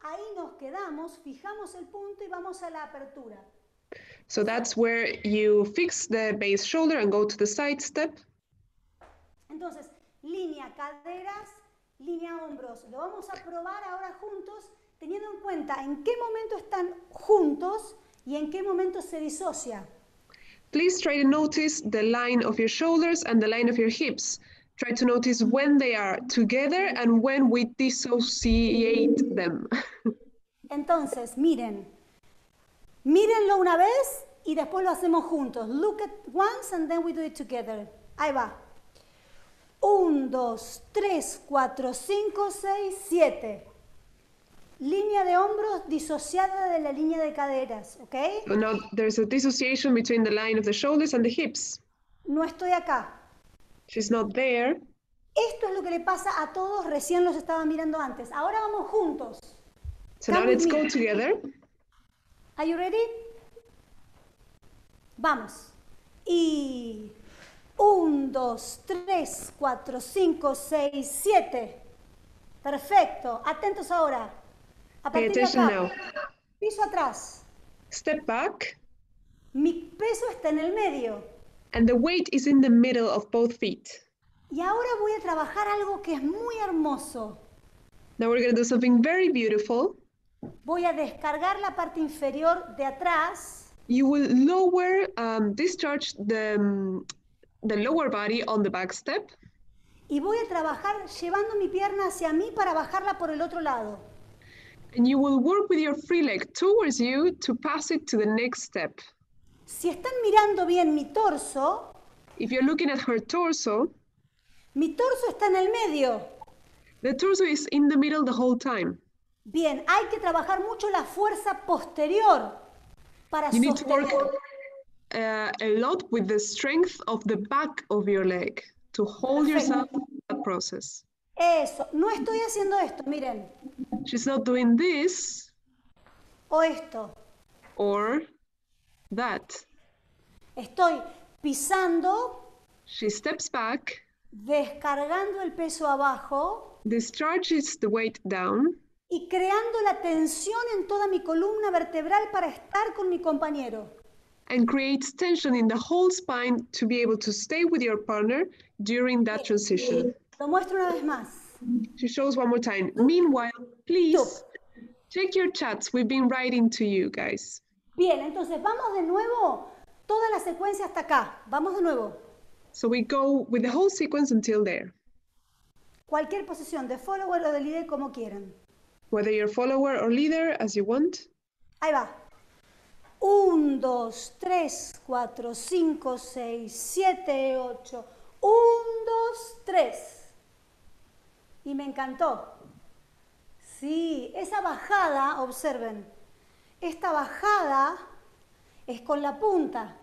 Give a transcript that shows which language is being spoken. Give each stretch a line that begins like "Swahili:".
Spanish: Ahí nos quedamos, fijamos el punto y vamos a la apertura.
English: So that's where you fix the base shoulder and go to the side step.
Spanish: Entonces, línea caderas, línea hombros. Lo vamos a probar ahora juntos, teniendo en cuenta en qué momento están juntos y en qué momento se disocia.
English: Please try to notice the line of your shoulders and the line of your hips. Try to notice when they are together and when we dissociate them.
Spanish: Entonces, miren. Mírenlo una vez y después lo hacemos juntos.
English: Look at once and then we do it together.
Spanish: Ahí va. Un, dos, tres, cuatro, cinco, seis, siete. Línea de hombros disociada de la línea de caderas, ¿ok?
English: So now there's a dissociation between the line of the shoulders and the hips.
Spanish: No estoy acá.
English: She's not there.
Spanish: Esto es lo que le pasa a todos, recién los estaba mirando antes. Ahora vamos juntos.
English: So now let's go together. Are you ready?
Spanish: Vamos. Y... 1, 2, 3, 4, 5, 6, 7. Perfecto. Atentos ahora. A
English: Pay
Spanish: partir
English: attention
Spanish: de acá.
English: Now.
Spanish: Piso atrás.
English: Step back.
Spanish: Mi peso está en el medio.
English: And the weight is in the middle of both feet.
Spanish: Y ahora voy a trabajar algo que es muy hermoso.
English: Now we're going to do something very beautiful.
Spanish: Voy a descargar la parte inferior de atrás.
English: You will lower, discharge the lower body on the back step.
Spanish: Y voy a trabajar llevando mi pierna hacia mí para bajarla por el otro lado.
English: And you will work with your free leg towards you to pass it to the next step.
Spanish: Si están mirando bien mi torso,
English: if you're looking at her torso,
Spanish: mi torso está en el medio.
English: The torso is in the middle the whole time.
Spanish: Bien, hay que trabajar mucho la fuerza posterior para
English: you
Spanish: sostener.
English: Need to work a lot with the strength of the back of your leg to hold
Spanish: Perfecto.
English: Yourself in that process.
Spanish: Eso, no estoy haciendo esto, miren.
English: She's not doing this.
Spanish: O esto.
English: Or that.
Spanish: Estoy pisando.
English: She steps back.
Spanish: Descargando el peso abajo.
English: Discharges the weight down.
Spanish: Y creando la tensión en toda mi columna vertebral para estar con mi compañero.
English: And creates tension in the whole spine to be able to stay with your partner during that transition.
Spanish: Lo muestro una vez más.
English: She shows one more time. Meanwhile, please check your chats. We've been writing to you guys.
Spanish: Bien, entonces vamos de nuevo toda la secuencia hasta acá. Vamos de nuevo.
English: So we go with the whole sequence until there.
Spanish: Cualquier posición de follower o de líder como quieran.
English: Whether you're follower or leader, as you want.
Spanish: Ahí va. Un, dos, tres, cuatro, cinco, seis, siete, ocho. Un, dos, tres. Y me encantó. Sí, esa bajada, observen. Esta bajada es con la punta.